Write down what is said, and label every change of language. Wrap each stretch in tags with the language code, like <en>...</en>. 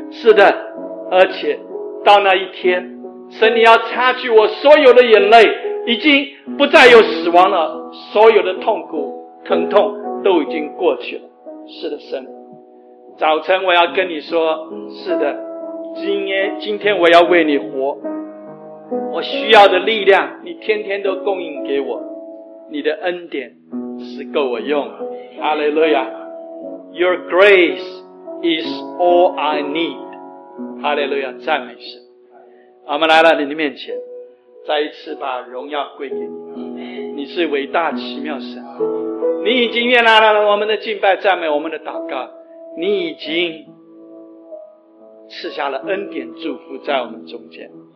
<zh>是的，而且到那一天，神，你要擦去我所有的眼泪，已经不再有死亡了，所有的痛苦疼痛都已经过去了。是的，神，早晨我要跟你说，是的，今天我要为你活，我需要的力量你天天都供应给我，你的恩典是够我用。</zh> <en>哈利路亚， Your grace is all I need。</en> <zh>哈利路亚，赞美神。我们来到你的面前，再一次把荣耀归给你，你是伟大奇妙神，你已经悦纳了我们的敬拜赞美，我们的祷告，你已经赐下了恩典祝福在我们中间，</zh>